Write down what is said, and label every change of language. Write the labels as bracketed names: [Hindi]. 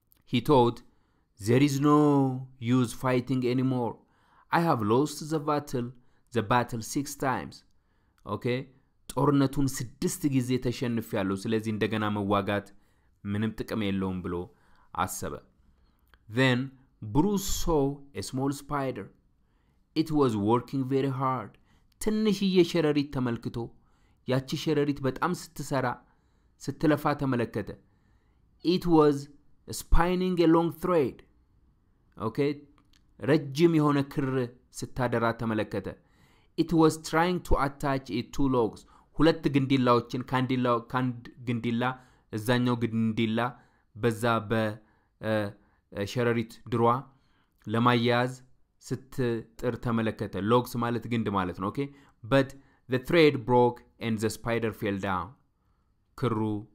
[English] he thought there is no use fighting anymore I have lost the battle 6 times ኦኬ [Amharic] ጦርነቱን 6 ጊዜ ተሸንፌያለሁ ስለዚህ እንደገና መዋጋት ምንም ጥቅም የለውም ብሎ አሰበ [English] then bruce saw a small spider It was working very hard. [Amharic] ትንሽዬ ሸረሪት ተመልክቶ ያቺ ሸረሪት በጣም ስትሰራ ስትለፋ ተመለከተ. [English] It was spinning a long thread. Okay? [Amharic] ረጅም የሆነ ክር ስታደራ ተመለከተ. [English] It was trying to attach it to logs. [Amharic] ሁለት ግንዲላዎችን ካንድ ግንዲላ እዛኛው ግንዲላ በዛ በሸረሪት ድሯ ለማያያዝ ስትጥር ተመለከተ ሎግስ ማለት ግንድ ማለት ነው ኦኬ [English] but the thread broke and the spider fell down [Amharic] ክሩ